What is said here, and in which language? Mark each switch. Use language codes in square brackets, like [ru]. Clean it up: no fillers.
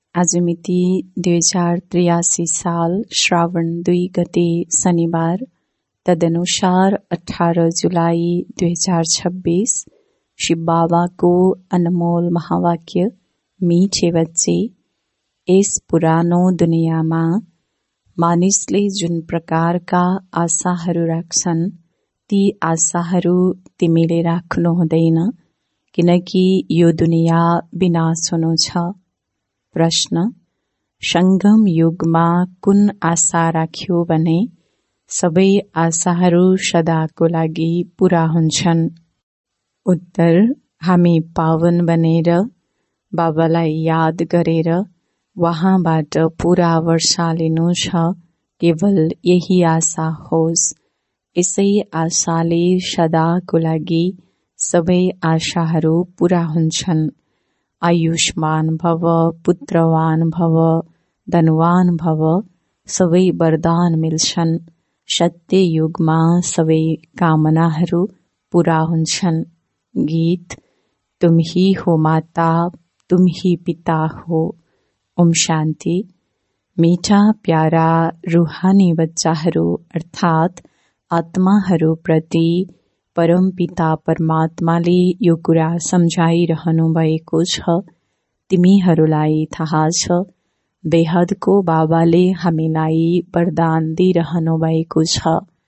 [ne] आज मिति 2083 साल श्रावण 2 गते शनिवार, तदनुसार 18 जुलाई 2026 शिव बाबा को अनमोल महावाक्य मीठे बच्चे। इस पुरानो दुनिया में मानिसले जुन प्रकार का आशाहरू राख्छन्, ती आशाहरू तिमीले राख्नु हुँदैन, किनकि यो दुनिया विनाश हुनु छ। प्रश्न: संगम युगमा कुन आशा राख्यो भने सबै आशाहरू सदाको लागि पूरा हुन्छन्? उत्तर: हामी पावन बनेर बाबालाई याद गरेर वहाँबाट पूरा वर्षा लिनु छ, केवल यही आशा होस्। यसै आशाले सदाको लागि सबै आशाहरू पूरा हुन्छन्। आयुष्मान भव, पुत्रवान भव, धनवान भव, सबै वरदान मिल्छन्। सत्य युगमा सबै कामनाहरू पूरा हुन्छन्। [hi] गीत: तुम ही हो माता, तुम ही पिता हो। [ne] ओम शांति। मीठा प्यारा रूहानी बच्चाहरू अर्थात आत्माहरू प्रति परमपिता परमात्माले यो कुरा सम्झाइरहनु भएको छ। तिमीहरूलाई थाहा छ, देहदको बाबाले हामीलाई वरदान दिइरहनु भएको छ।